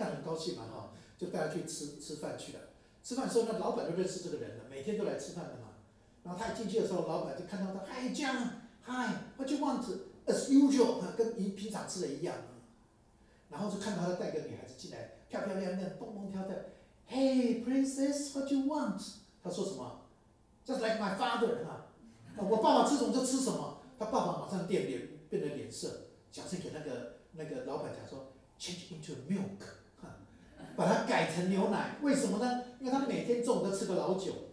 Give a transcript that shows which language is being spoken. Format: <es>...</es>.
<zh>当然高兴嘛，就带她去吃饭去了。吃饭的时候，那老板就认识这个人了，每天都来吃饭的嘛。然后他一进去的时候，老板就看到他：“嗨，江，嗨 ，</zh> <en>What you want? As usual，</en> <zh>跟平常吃的一样。” 然后就看到他带个女孩子进来，漂漂亮亮，蹦蹦跳跳。</zh> <en>Hey, princess, what do you want?</en> <zh>他说什么 ？</zh> <en>Just like my father,</en> <zh>哈、啊，我爸爸吃什么就吃什么。他爸爸马上变了脸色，小声给那个老板讲说 ，</zh> <en>Change into milk，</en> <zh>哈、啊，把它改成牛奶。为什么呢？因为他每天中午都吃个老酒。</zh>